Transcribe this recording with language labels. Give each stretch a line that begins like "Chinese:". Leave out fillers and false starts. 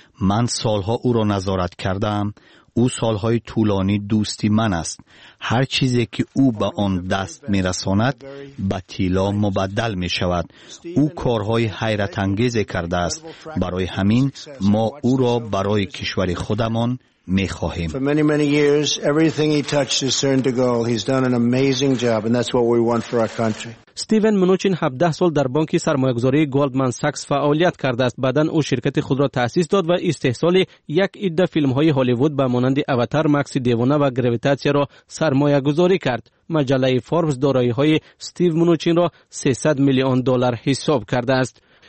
Persian: من سالها او را نظارت کردم. او سالهای طولانی دوستی من است. هر چیزی که او به آن دست می رساند به طلا مبدل می شود. او کارهای حیرت انگیز کرده است. برای همین ما او را برای کشور خودمان می خواهیم.
English: For many, many years, everything he touched has turned to gold. He's done an amazing job, and that's what we want for our country.
Persian: استیون منوچین 17 سال در بانک سرمایه‌گذاری گلدمن ساکس فعالیت کرده است. بعداً او شرکت خود را تأسیس داد و استحصال یک عده فیلم‌های هالیوود به مانند اواتار، ماکس دیوانه و گرویتاسیا را سرمایه‌گذاری کرد. مجله فوربس دارایی‌های استیو منوچین را $300 میلیون حساب کرده است.